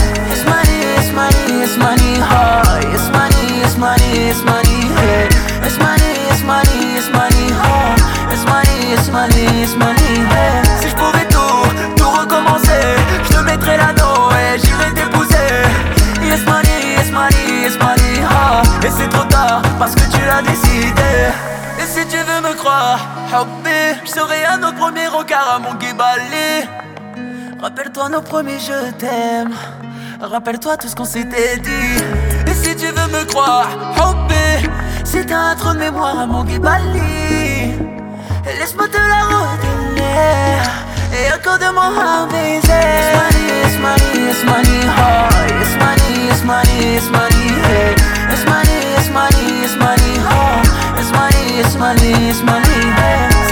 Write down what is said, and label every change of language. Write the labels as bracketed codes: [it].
[en] It's money, it's money, it's money, hi. It's money, it's money, it's money, hey. It's money, it's money, it's money, hi. It's money, it's money, it's money, hey. [fr] Si je pouvais tout recommencer, je te mettrais l'anneau et j'irais t'épouser. [en] It's money, it's money, it's money, hi. [fr] Et c'est trop tard parce que tu l'as décidé. Et si tu veux me croire, Habibti, je serai à nos premiers rencarts à mon Gibali. Rappelle-toi nos premiers je t'aime. Rappelle-toi tout ce qu'on s'était dit. Et si tu veux me croire, Habibti, c'est un trou de mémoire à mon Gibali. Et laisse-moi te la redonner. Et accorde-moi un baiser. [en] It's money, it's money, it's money, hi. It's money, it's money, it's money, hey. It's money, it's money, it's money, hi. It's money, it's money, it's money, hey.